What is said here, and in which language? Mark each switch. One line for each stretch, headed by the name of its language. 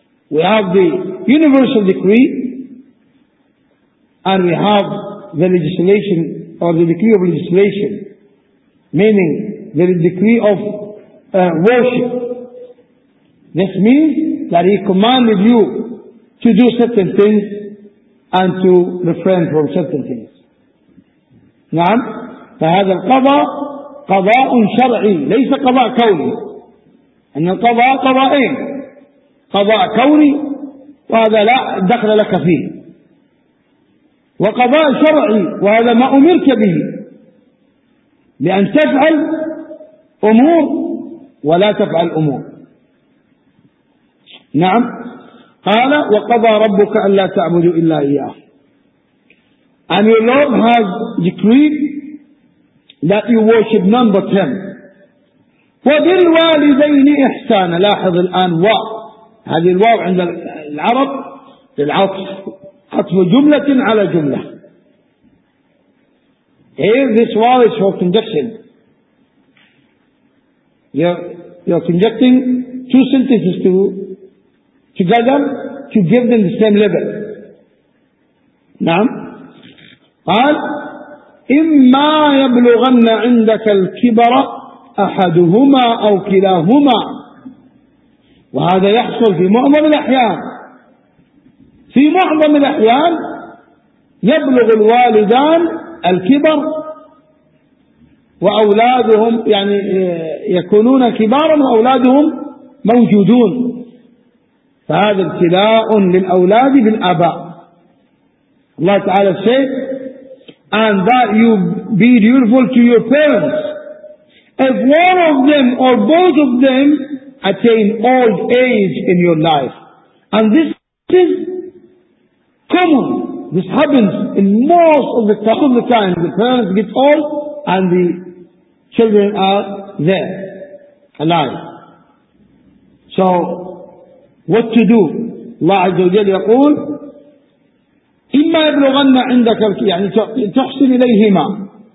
English: We have the universal decree, and we have the legislation, or the decree of legislation, meaning the decree of worship. This means that He commanded you to do certain things and to refrain from certain things.
Arabic: نعم. فهذا القضاء قضاء شرعي ليس قضاء كوني. أن القضاء قضاءين، قضاء كوني وهذا لا دخل لك فيه، وقضاء شرعي وهذا ما أمرك به بأن تفعل أمور ولا تفعل أمور. نعم. قال وقضى ربك ألا تعبدوا إلا إياه.
English: And your Lord has decreed that you worship none but Him.
Arabic: وبالوالدين إحسانا. لاحظ الآن وا، هذه الواو عند العرب للعطف، عطف جملة على جملة.
English: Here this واو is for conjunction. You're conjuncting two sentences together to give them the same level.
Arabic: نعم. قال إما يبلغن عندك الكبر أحدهما أو كلاهما. وهذا يحصل في معظم الأحيان، في معظم الأحيان يبلغ الوالدان الكبر وأولادهم يعني يكونون كبارا وأولادهم موجودون، فهذا ابتلاء للأولاد بالآباء.
English: الله تعالى said and that you be dutiful to your parents. If one of them or both of them attain old age in your life, and this is common, this happens in most of the time, the parents get old and the children are there alive. So what to do?
Arabic: Allah Azza wa Jalla يقول إما يبلغن عندك يعني تحسن إليهما.